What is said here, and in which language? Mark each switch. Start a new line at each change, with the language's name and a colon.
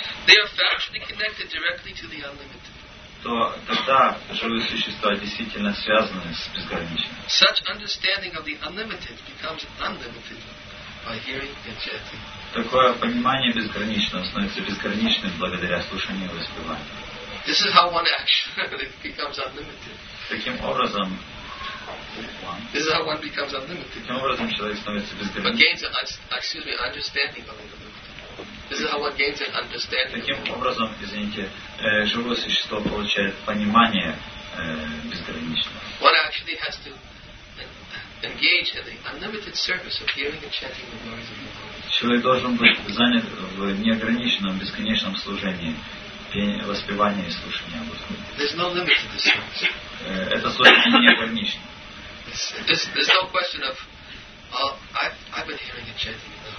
English: They are factually connected directly to the unlimited.
Russian: То тогда живые существа действительно связаны с безграничным.
English: Such understanding of the unlimited becomes unlimited by hearing the chanting.
Russian: Такое понимание безграничного становится безграничным благодаря слушанию и воспеванию.
English: This is how one actually becomes unlimited.
Russian: Таким образом.
English: This is how one becomes unlimited.
Russian: Таким образом человек становится безграничным.
English: But gains understanding of the unlimited. This is how one gains an understanding.
Russian: Таким образом, извините, живое существо получает понимание безграничного.
English: One actually has to engage in the unlimited service of hearing and chanting the glories of God.
Russian: Человек должен быть занят в неограниченном, бесконечном служении, воспевании и слушании об Господе.
English: There's no limit to this service.
Russian: Это служение неограничено.
English: There's no question of, I've been hearing and chanting.